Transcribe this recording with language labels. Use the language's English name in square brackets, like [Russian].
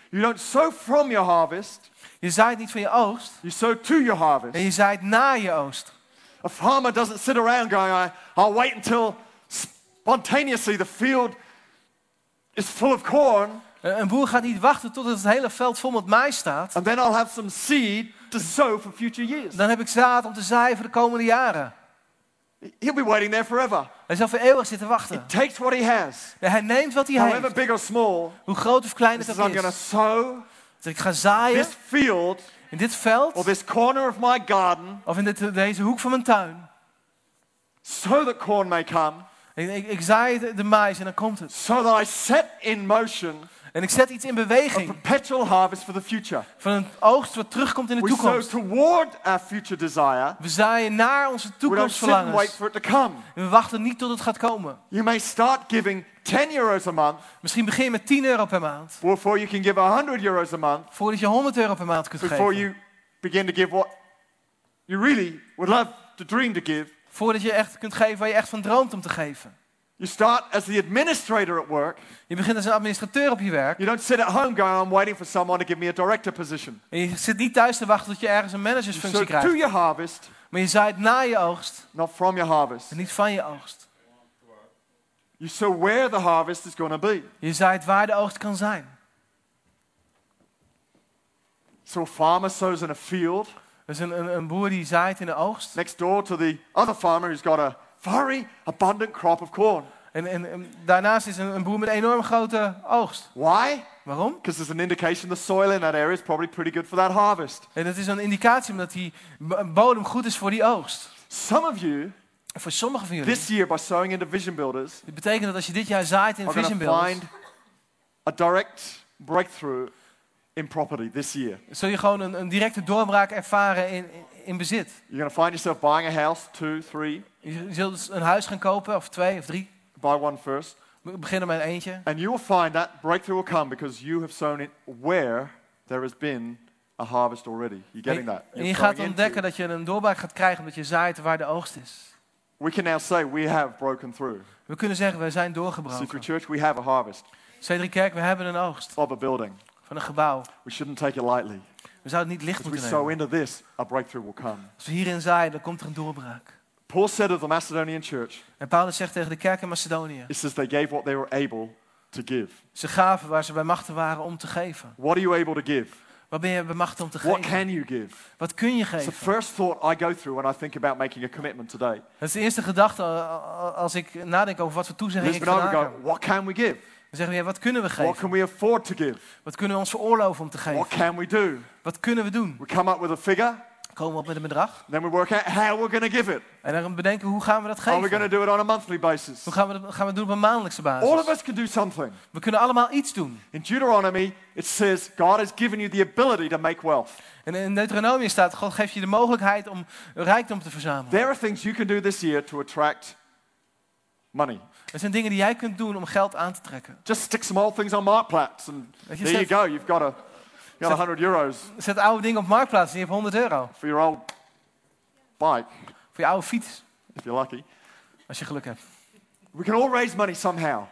[English] You don't sow from your harvest. [Dutch] Je zaait niet van je oogst. [English] You sow to your harvest. [Dutch] En je zaait na je oogst. [English] A farmer doesn't sit around going, I'll wait until spontaneously the field is full of corn. [Dutch] Een boer gaat niet wachten tot het hele veld vol met maïs staat. [English] And then I'll have some seed to sow for future years. [Dutch] Dan heb ik zaad om te zaaien voor de komende jaren. [English] He'll be waiting there forever. [Dutch] Hij zal voor eeuwig zitten wachten. [English] He takes what he has. [Dutch] Hij neemt wat hij heeft. [English] However big or small. [Dutch] Hoe groot of klein het ook is. [English] I'm gonna sow. [Dutch] Dus ik ga zaaien [English] this field, [Dutch] in dit veld [English] or this corner of my garden, [Dutch] of in deze hoek van mijn tuin. [English] So that corn may come, [Dutch] ik zaai de maïs en dan komt het. [English] So that I set in motion, [Dutch] en ik zet iets in beweging. [English] A perpetual harvest for the future. [Dutch] Van een oogst wat terugkomt in de we toekomst. [English] Sow toward our future desire, [Dutch] we zaaien naar onze toekomstverlangens. [English] We don't sit and wait for it to come. [Dutch] En we wachten niet tot het gaat komen. [English] You may start giving 10 euros a month. [Dutch] Misschien begin je met 10 euro per maand. [English] Before you can give 100 euros a month. [Dutch] Voordat je 100 euro per maand kunt [English] before [Dutch] geven. [English] Before you begin to give what you really would love to dream to give. [Dutch] Voordat je echt kunt geven waar je echt van droomt om te geven. [English] You start as the administrator at work. [Dutch] Je begint als een administrateur op je werk. [English] You don't sit at home going, I'm waiting for someone to give me a director position. [Dutch] En je zit niet thuis te wachten tot je ergens een managersfunctie krijgt. [English] To your harvest, [Dutch] maar je zaait na je oogst. [English] Not from your harvest. [Dutch] En niet van je oogst. [English] You sow where the harvest is going to be. [Dutch] Je zaait waar de oogst kan zijn. [English] So a farmer sows in a field. [Dutch] Dus een boer die zaait in de oogst. [English] Next door to the other farmer who's got a very abundant crop of corn. [Dutch] En daarnaast is een boer met een enorm grote oogst. [English] Why? [Dutch] Waarom? [English] Because there's an indication the soil in that area is probably pretty good for that harvest. [Dutch] En dat is een indicatie omdat die bodem goed is voor die oogst. [English] Some of you. [Dutch] En voor sommigen van jullie. [English] This year by sowing into vision builders. [Dutch] Dit betekent dat als je dit jaar zaait in vision builders. [English] Find a direct breakthrough in property this year. [Dutch] Zul je gewoon een directe doorbraak ervaren in bezit. [English] You're gonna find yourself buying a house, 2, 3. [Dutch] Je zult een huis gaan kopen of 2 of 3. [English] Buy one first. [Dutch] Beginnen met eentje. [English] And you will find that breakthrough will come because you have sown it where there has been a harvest already. You're getting that. [Dutch] En je gaat ontdekken dat je een doorbraak gaat krijgen omdat je zaait waar de oogst is. [English] We can now say we have broken through. [Dutch] We kunnen zeggen we zijn doorgebroken. [English] C3 Church, we have a harvest. [Dutch] C3 Kerk, we hebben een oogst. [English] Of a building. [Dutch] Van een gebouw. [English] We shouldn't take it lightly. [Dutch] We zouden het niet licht moeten nemen. [English] As we sow into this, a breakthrough will come. [Dutch] Als we hierin zaaien, dan komt er een doorbraak. [English] Paul said of the Macedonian church. [Dutch] En Paulus zegt tegen de kerk in Macedonië. [English] It says they gave what they were able to give. [Dutch] Ze gaven waar ze bij machten waren om te geven. [English] What are you able to give? [Dutch] Wat ben je bij macht om te geven? [English] What can you give? [Dutch] Wat kun je geven? [English] It's the first thought I go through when I think about making a commitment today. [Dutch] Dat is de eerste gedachte als ik nadenk over wat voor toezegging ik vandaag heb. [English] What can we give? [Dutch] Dan zeggen we, ja, wat kunnen we geven? [English] What can we afford to give? [Dutch] Wat kunnen we ons veroorloven om te geven? [English] What can we do? [Dutch] Wat kunnen we doen? [English] We come up with a figure. [Dutch] Komen we op met een bedrag. [English] Then we work out how we're going to give it. [Dutch] En dan bedenken hoe gaan we dat geven? [English] Are we going to do it on a monthly basis? [Dutch] Hoe gaan we doen op een maandelijkse basis? [English] All of us can do something. [Dutch] We kunnen allemaal iets doen. [English] In Deuteronomy it says God has given you the ability to make wealth. [Dutch] En in Deuteronomy staat God geeft je de mogelijkheid om rijkdom te verzamelen. [English] There are things you can do this year to attract money. [Dutch] Er zijn dingen die jij kunt doen om geld aan te trekken. [English] Just stick some old things on Marktplaats and there you go. You've got a €100. [Dutch] Zet oude dingen op Marktplaats en je hebt 100 euro. [English] For your old bike. [Dutch] Voor je oude fiets. [English] If you're lucky. [Dutch] Als je geluk hebt. [English] We can all raise money somehow.